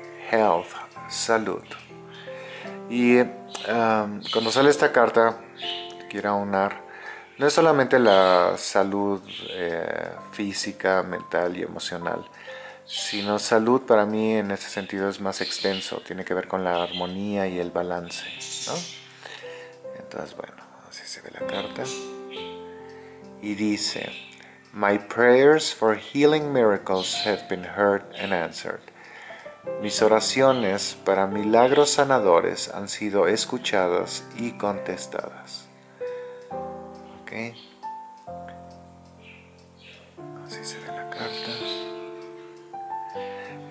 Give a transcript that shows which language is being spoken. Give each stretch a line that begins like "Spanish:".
Spanish: Health, salud. Y cuando sale esta carta, quiero aunar, no es solamente la salud física, mental y emocional, sino salud para mí en ese sentido es más extenso, tiene que ver con la armonía y el balance, ¿no? Entonces, bueno, así se ve la carta.
English: Y dice: My prayers for healing miracles have been heard and answered.
Spanish: Mis oraciones para milagros sanadores han sido escuchadas y contestadas. ¿Okay? Así se ve la carta.